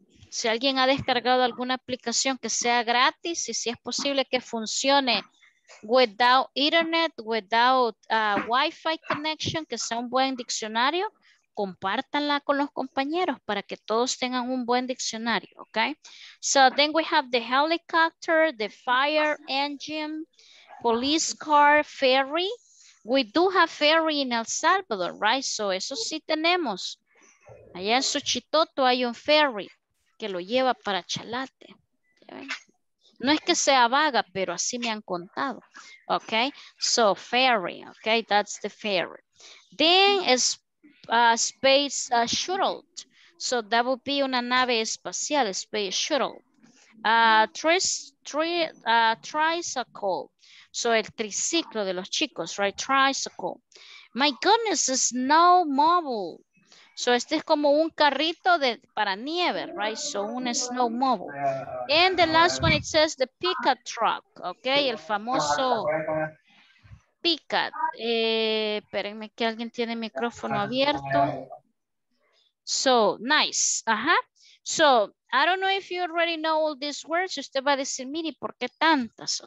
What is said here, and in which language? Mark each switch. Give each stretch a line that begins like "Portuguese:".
Spanish: Si alguien ha descargado alguna aplicación que sea gratis y si es posible que funcione
English: without internet, without wifi connection,
Spanish: que sea un buen diccionario, compártanla con los compañeros para que todos tengan un buen diccionario, ok.
English: So then we have the helicopter, the fire engine, police car, ferry. We do have ferry in El Salvador, right?
Spanish: So eso sí tenemos. Allá en Suchitoto hay un ferry que lo lleva para Chalate. No es que sea vaga, pero así me han contado.
English: Ok, so ferry, ok, that's the ferry. Then is space shuttle. So that would be
Spanish: una nave espacial,
English: space shuttle. Tricycle. So
Spanish: el triciclo de los chicos,
English: right? Tricycle. My goodness, snowmobile.
Spanish: So este es como un carrito de, para nieve, right? So un snowmobile.
English: And the last one, it says the pickup truck, okay?
Spanish: El famoso pickup. Espérenme que alguien tiene el micrófono abierto.
English: So, nice. Ajá. So, I don't know if you already know all these words.
Spanish: Usted va a decir, mire, ¿por qué tantas?